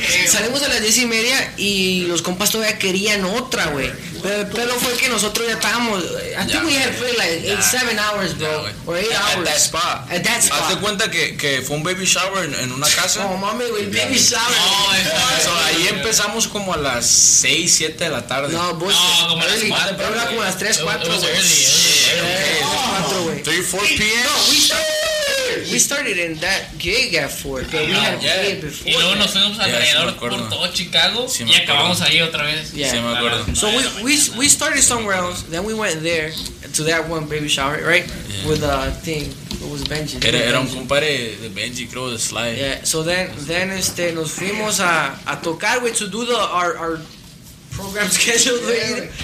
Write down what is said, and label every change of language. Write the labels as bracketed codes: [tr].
[es] Salimos a las 10:30 y los compas todavía querían otra, güey. Pero fue que nosotros ya estábamos. [en] I think we had played like 7 hours, bro. Or 8 hours. At that spot. [es] Hazte cuenta que fue un baby shower en una casa. Oh, mami, güey, baby shower. No, so, ahí empezamos como a las 6, 7 de la tarde. No, como a las 4. Pero era como a las 3, 4. [en] It was early. 3, 4 p.m. [es] No, [en] we started in that gig at 4, but we had played before. [es] Y luego nos fuimos alrededor por todo Chicago y acabamos ahí otra vez. Yeah. Sí, me acuerdo. [en] So we started somewhere else, then we went there to that one baby shower, right? Yeah. With a thing. It was Benji. [es] Era un compadre de Benji, creo, de Sly. Yeah, so then nos fuimos a tocar, güey, [en] to do our program schedule, [es] güey.